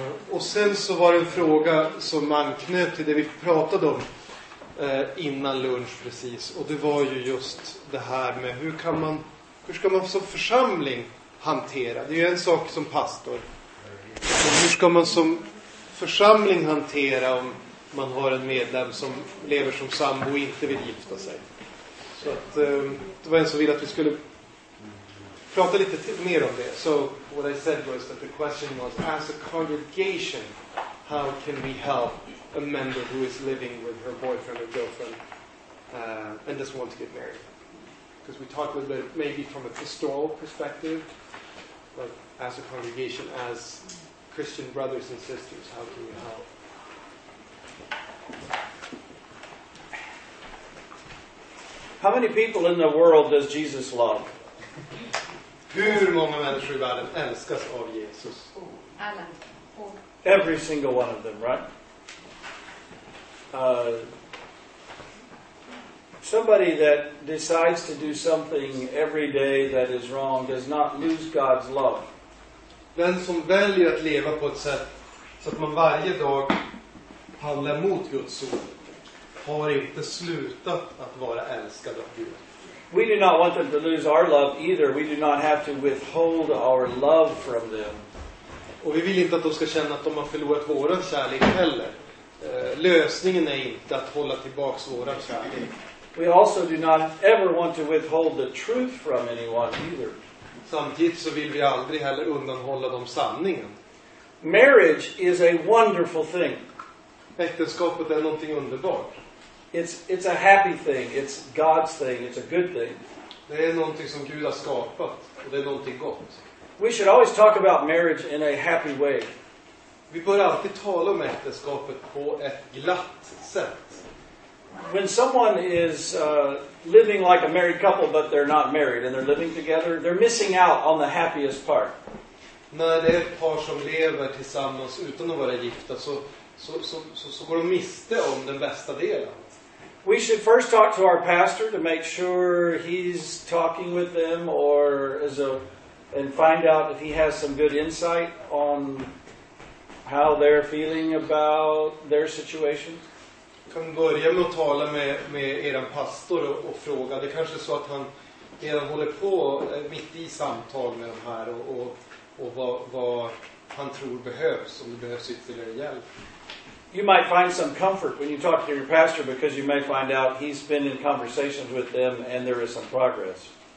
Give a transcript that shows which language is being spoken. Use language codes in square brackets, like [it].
[sv] Och sen så var det en fråga som man knöt till det vi pratade om innan lunch precis, och det var ju just det här med hur ska man som församling hantera, det är ju en sak som pastor, och hur ska man som församling hantera om man har en medlem som lever som sambo och inte vill gifta sig. Så att det var en som ville att vi skulle prata lite mer om det. [en] So what I said was that the question was, as a congregation, how can we help a member who is living with her boyfriend or girlfriend and doesn't want to get married? Because we talked a little bit, maybe from a pastoral perspective, but as a congregation, as Christian brothers and sisters, how can we help? How many people in the world does Jesus love? [sv] Hur många människor i världen älskas av Jesus? Alla. [en] Every single one of them, right? Somebody that decides to do something every day that is wrong does not lose God's love. [sv] Den som väljer att leva på ett sätt så att man varje dag handlar mot Guds ord har inte slutat att vara älskad av Gud. [en] We do not want them to lose our love either. We do not have to withhold our love from them. [sv] Och vi vill inte att de ska känna att de har förlorat våran kärlek heller. Lösningen är inte att hålla tillbaks våran kärlek. [en] We also do not ever want to withhold the truth from anyone either. [sv] Samtidigt så vill vi aldrig heller undanhålla dem sanningen. [en] Marriage is a wonderful thing. [sv] Äktenskapet är någonting underbart. [en] It's a happy thing. It's God's thing. It's a good thing. [sv] Det är någonting som Gud har skapat och det är någonting gott. [en] We should always talk about marriage in a happy way. [sv] Vi bör alltid tala om äktenskapet på ett glatt sätt. [en] When someone is living like a married couple but they're not married and they're living together, they're missing out on the happiest part. [sv] När det är ett par som lever tillsammans utan att vara gifta så går de miste om den bästa delen. [en] We should first talk to our pastor to make sure he's talking with them or and find out if he has some good insight on how they're feeling about their situation. [sv] Vi kan börja med att tala med eran pastor och fråga. Det kanske är så att han redan håller på mitt i samtal med dem här och vad han tror behövs, om det behövs ytterligare hjälp. [en] You might find some comfort when you talk to your pastor because you may find out he's been in conversations with them and there is some progress.